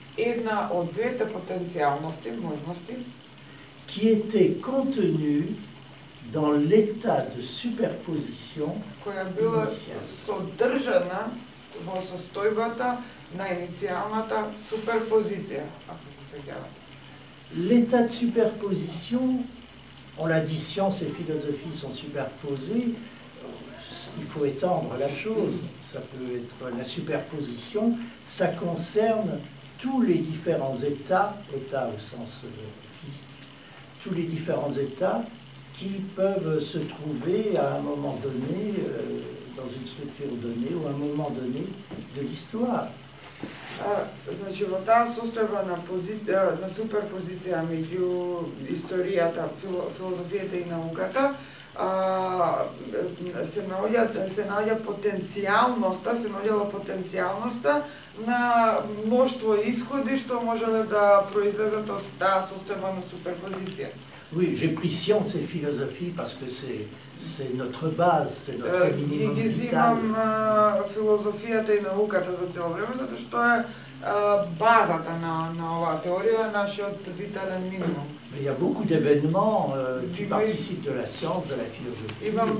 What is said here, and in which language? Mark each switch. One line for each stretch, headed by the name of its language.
Macedonian: една од двете потенциалности, можности,
French: qui étaient contenues dans l'état de superposition,
Macedonian: која била содржана во состојбата на иницијалната суперпозиција, ако се сеќавате.
French: L'état de superposition, on l'a dit, science et philosophie sont superposées, il faut étendre la chose, ça peut être la superposition, ça concerne tous les différents états, états au sens physique, tous les différents états qui peuvent se trouver à un moment donné, dans une structure donnée, ou à un moment donné de l'histoire.
Macedonian: Значи во таа состојба на позиција, на суперпозиција меѓу историјата, филозофијата и науката, се наоѓа потенцијалноста, се наоѓала потенцијалноста на мноштво исходи што можеле да произлезат од таа состојба на суперпозиција.
French: Oui, j'ai pris science et philosophie parce que c'est notre base, c'est notre minimum vital.
Macedonian: Ги имам филозофијата и науката за цело време, затоа што е базата на оваа теорија, нашиот витален минимум.
French: Mais il y a beaucoup d'événements qui participent de la science, de la philosophie,